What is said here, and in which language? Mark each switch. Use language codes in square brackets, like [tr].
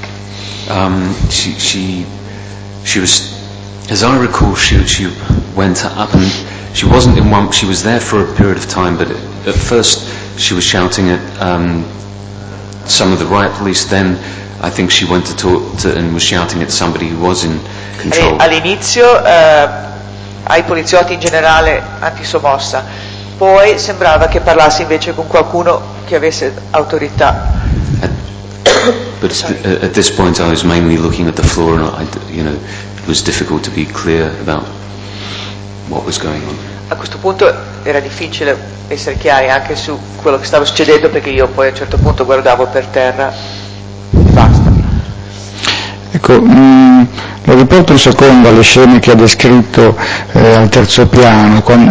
[en] She was, as I recall, she went up and she wasn't in one, she was there for a period of time, but at first she was shouting at some of the riot police, then I think she went to talk to and was shouting at somebody who was in control. [it] All'inizio ai poliziotti in generale antisommossa, poi sembrava che parlasse invece con qualcuno che avesse autorità. [en] But at this point I was mainly looking at the floor and I, you know, it was difficult to be clear about what was going on. [it] A questo punto era difficile essere chiari anche su quello che stava succedendo, perché io poi a un certo punto guardavo per terra e basta. Ecco, lo riporto un secondo alle scene che ha descritto al terzo piano.